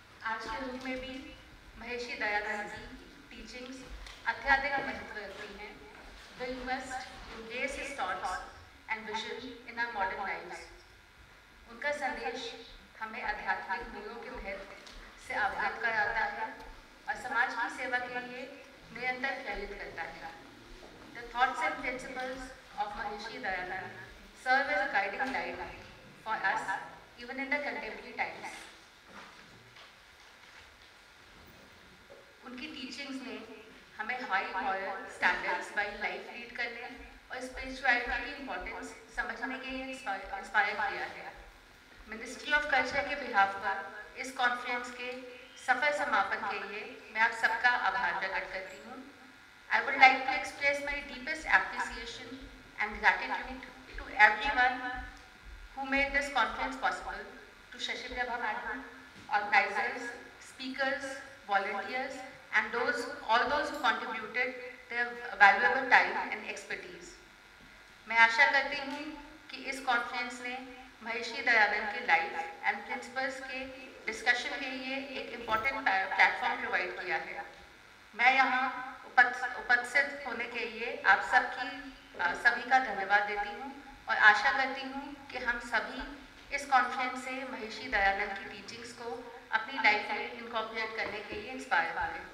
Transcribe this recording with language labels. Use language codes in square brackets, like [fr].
[hi] आज के युग में भी महर्षि दयानंद जी टीचिंग्स अत्यधिक महत्व रखती हैं। [en] We must embrace his thoughts and vision in our modern life. [hi] उनका संदेश हमें आध्यात्मिक मूल्यों के महत्व से अवगत कराता है और समाज की सेवा के लिए निरंतर प्रेरित करता है। [en] The thoughts and principles of Maharishi Dayanand serve as a guiding light for us even in the contemporary times. [hi] उनकी टीचिंग्स ने हमें [en] high moral standards by life lead [hi] करने और स्पिरिचुअलिटी की इम्पोर्टेंस समझने के लिए इंस्पायर किया है। मिनिस्ट्री ऑफ कल्चर के बिहाफ पर इस कॉन्फ्रेंस के सफल समापन के लिए मैं आप सबका आभार प्रकट करती हूँ। [en] I would like to express my deepest appreciation and gratitude to everyone who made this conference possible, to Shashi Prabha Madam, organizers, speakers, volunteers, and all those who contributed their valuable time and expertise. [hi] मैं आशा करती हूँ कि इस conference ने महर्षि दयानंद के [en] life and principles [hi] के discussion के लिए एक इम्पोर्टेंट प्लेटफॉर्म प्रोवाइड किया है। मैं यहाँ उपस्थित होने के लिए आप सबकी सभी का धन्यवाद देती हूँ और आशा करती हूँ कि हम सभी इस कॉन्फ्रेंस से महर्षि दयानंद की टीचिंग्स को अपनी लाइफ में इनकॉर्पोरेट करने के लिए इंस्पायर होंगे।